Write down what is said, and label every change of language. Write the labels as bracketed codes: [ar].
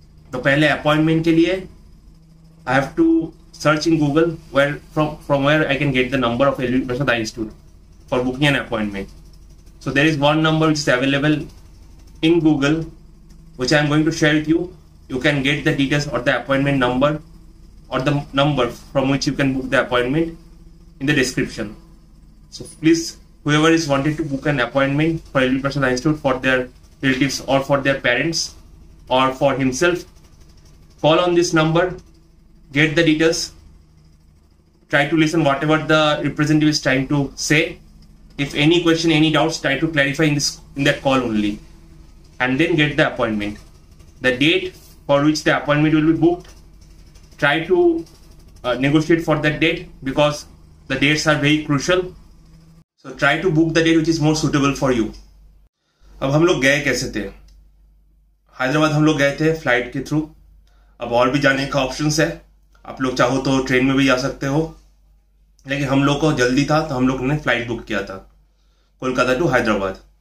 [hi] তো পহলে অ্যাপয়েন্টমেন্ট কে লিয়ে [en] I have to search in Google where from where I can get the number of LB Prasad eye institute for booking an appointment. So there is one number which is available in Google which I am going to share with you, you can get the details or the appointment number or the number from which you can book the appointment in the description. So please whoever is wanted to book an appointment for LB Prasad Eye Institute for their relatives or for their parents or for himself, call on this number, get the details, try to listen whatever the representative is trying to say, if any question, any doubts, try to clarify in that call only, and then get the appointment. The date for which the appointment will be booked, try to negotiate for that date because the dates are very crucial. So try to book the date which is more suitable for you. [hi] अब हम लोग गए कैसे थे, हैदराबाद हम लोग गए थे फ्लाइट के थ्रू। अब और भी जाने का ऑप्शन है, आप लोग चाहो तो ट्रेन में भी जा सकते हो, लेकिन हम लोग को जल्दी था तो हम लोग ने फ्लाइट बुक किया था कोलकाता टू हैदराबाद।